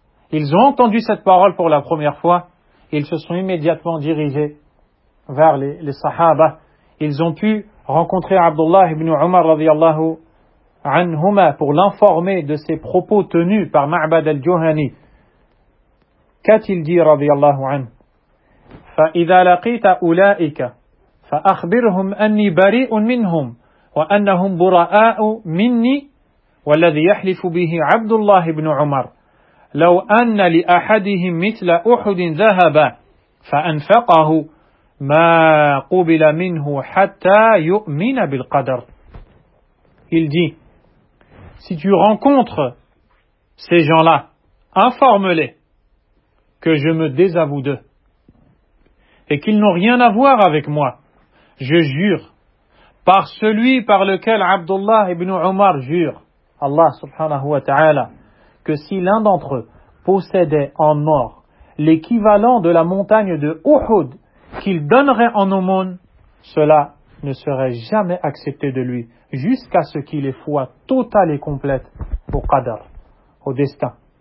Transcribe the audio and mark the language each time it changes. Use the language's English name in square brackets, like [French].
[French] Ils ont entendu cette parole pour la première fois, et ils se sont immédiatement dirigés vers les sahaba. Ils ont pu rencontrer Abdullah ibn Umar radiyallahu anhuma pour l'informer de ses propos tenus par Ma'bad al-Juhani. Qu'a-t-il dit radiyallahu anhu? [Arabic] فإذا لقيت أولئك فأخبرهم أني بريء منهم وأنهم براء مني والذي يحلف به عبد الله بن عمر لو أن لأحدهم مثل أحد ذهبا فأنفقه ما قبل منه حتى يؤمن بالقدر. [French] Il dit, si tu rencontres ces gens-là, informe-les que je me désavoue d'eux et qu'ils n'ont rien à voir avec moi. Je jure par celui par lequel Abdullah ibn Umar jure, Allah subhanahu wa ta'ala, que si l'un d'entre eux possédait en or l'équivalent de la montagne de Uhud qu'il donnerait en aumône, cela ne serait jamais accepté de lui jusqu'à ce qu'il ait foi totale et complète au qadr, au destin.